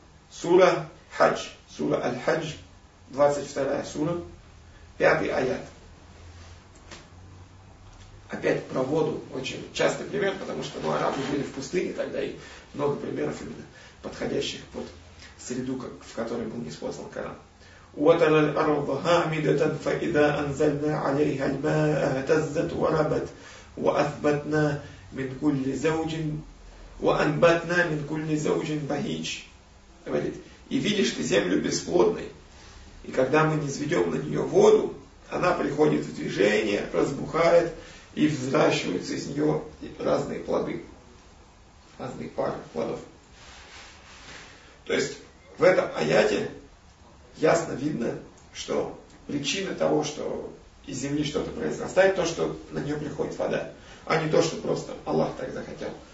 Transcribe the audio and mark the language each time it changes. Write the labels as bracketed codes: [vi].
[ru] Сура Хадж. Сура Аль-Хадж. 22 сура. 5 аят. Опять про воду. Очень частый пример, потому что арабы были в пустыне тогда, и много примеров именно подходящих под среду, в которой был ниспослан Коран. [ar] وترى الأرض هامدة فإذا أنزلنا عليها الماء اهتزت وربت وأثبتنا من كل زوج وأنبتنا من كل زوج بهيج. [ru] Говорит, и видишь ты землю бесплодной, и когда мы низведем на нее воду, она приходит в движение, разбухает и взращиваются из нее разные плоды, разные пары плодов. То есть в этом аяте ясно видно, что причина того, что из земли что-то произрастает, то, что на нее приходит вода, а не то, что просто Аллах так захотел.